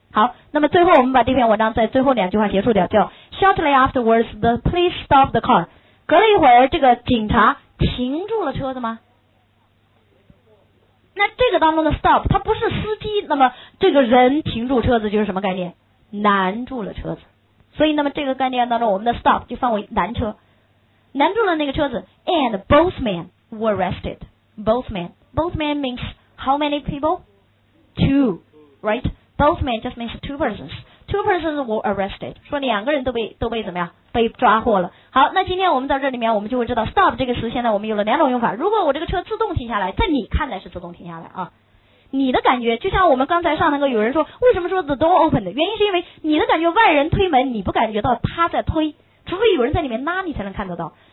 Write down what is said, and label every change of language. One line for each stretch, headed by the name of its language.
Chinese: 好，那么最后我们把这篇文章在最后两句话结束掉，叫
English: shortly afterwards the police stopped the car，
Chinese: 隔了一会儿这个警察停住了车子吗？那这个当中的 stop 它不是司机，那么这个人停住车子就是什么概念？拦住了车子。所以那么这个概念当中我们的 stop 就范围拦车，拦住了那个车子。
English: and both men were arrested， both men meansHow many people? Two, right? Both men just means two persons. Two persons were arrested.
Chinese: 说两个人都被怎么样？被抓获了。好，那今天我们在这里面，我们就会知道 stop 这个词现在我们有了两种用法。如果我这个车自动停下来，在你看来是自动停下来啊，你的感觉，就像我们刚才上那个有人说，为什么说
English: the door opened？
Chinese: 原因是因为你的感觉，外人推门，你不感觉到他在推，除非有人在里面拉你才能看得到。